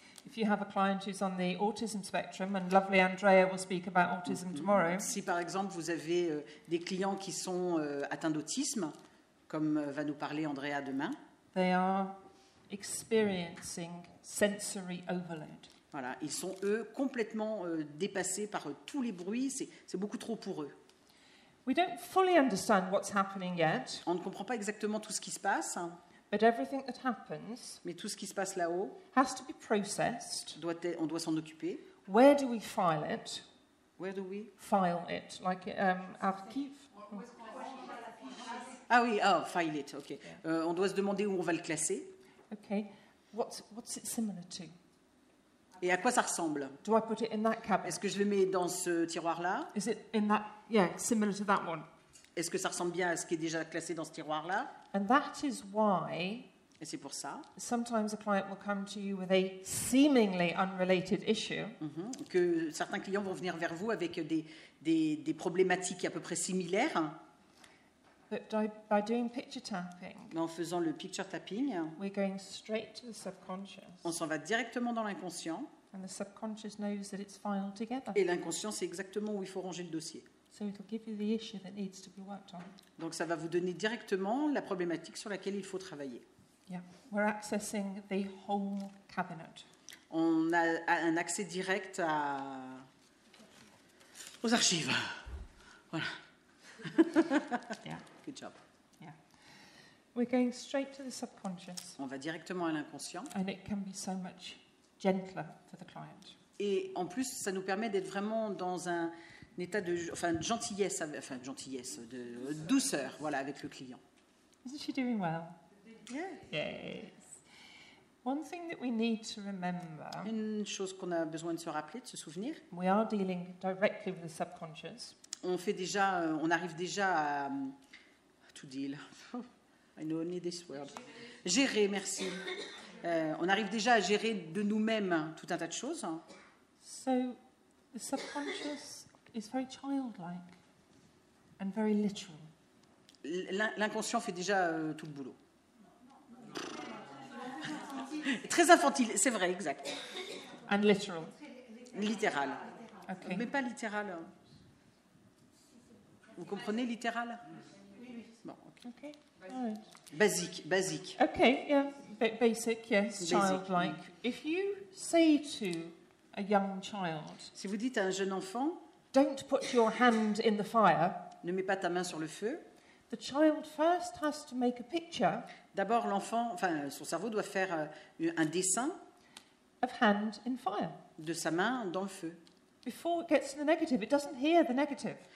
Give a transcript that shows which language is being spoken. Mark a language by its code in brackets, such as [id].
[en] If you have a client who's on the autism spectrum, and lovely Andrea will speak about autism tomorrow. [fr] Si par exemple vous avez des clients qui sont atteints d'autisme, comme va nous parler Andrea demain, [en] they are experiencing sensory overload. [fr] Voilà, ils sont eux complètement dépassés par tous les bruits, c'est beaucoup trop pour eux. [en] We don't fully understand what's happening yet. [fr] On ne comprend pas exactement tout ce qui se passe. [en] But everything that happens, [fr] mais tout ce qui se passe là-haut, [en] has to be processed. [fr] On doit s'en occuper. [en] Where do we file it? Where do we file it? Like archive. [fr] Ah oui, [en] oh, file it. Okay. Yeah. [fr] On doit se demander où on va le classer. [en] Okay. What's it similar to? [fr] Et à quoi ça ressemble? [en] Do I put it in that cabinet? [fr] Est-ce que je le mets dans ce tiroir-là? [en] Is it in that? Yeah, similar to that one. [fr] Est-ce que ça ressemble bien à ce qui est déjà classé dans ce tiroir-là? [en] And that is why. [fr] Et c'est pour ça. [en] Sometimes a client will come to you with a seemingly unrelated issue. Mm-hmm. [fr] Que certains clients vont venir vers vous avec des problématiques à peu près similaires. [en] But by doing picture tapping. [fr] Mais en faisant le picture tapping. [en] We're going straight to the subconscious. [fr] On s'en va directement dans l'inconscient. [en] And the subconscious knows that it's filed together. [fr] Et l'inconscient sait exactement où il faut ranger le dossier. [en] So it'll give you the issue that needs to be worked on. [fr] Donc ça va vous donner directement la problématique sur laquelle il faut travailler. [en] Yeah, we're accessing the whole cabinet. [fr] On a un accès direct à aux archives. Voilà. [en] Yeah. Good job. Yeah. We're going straight to the subconscious. [fr] On va directement à l'inconscient. [en] And it can be so much gentler for the client. [fr] Et en plus, ça nous permet d'être vraiment dans un état de, enfin, gentillesse, enfin, gentillesse, de douceur, voilà, avec le client. [en] Isn't she doing well? Yeah. Yes. One thing that we need to remember. [fr] Une chose qu'on a besoin de se rappeler, de se souvenir. [en] We are dealing directly with the subconscious. [fr] On fait déjà, on arrive déjà à [en] to deal. I know only this word. [fr] Gérer, merci. On arrive déjà à gérer de nous-mêmes tout un tas de choses. [en] So, the subconscious is very childlike and very literal. [fr] L'inconscient fait déjà tout le boulot. Très infantile, c'est vrai, exact. [en] And literal. [fr] Littéral. [en] Okay. [fr] Mais pas littéral. Vous comprenez littéral? Oui, oui. Bon, ok. [en] Okay. Right. [fr] Basique, basique. [en] Ok, yeah. Basic, yes. Childlike. Mm. If you say to a young child. [fr] Si vous dites à un jeune enfant. [en] Don't put your hand in the fire. [fr] Ne mets pas ta main sur le feu. [en] The child first has to make a picture. [fr] D'abord, l'enfant, enfin, son cerveau doit faire un dessin. [en] Of hand in fire. [fr] De sa main dans le feu. [en] Before it gets to the negative, it doesn't hear the negative.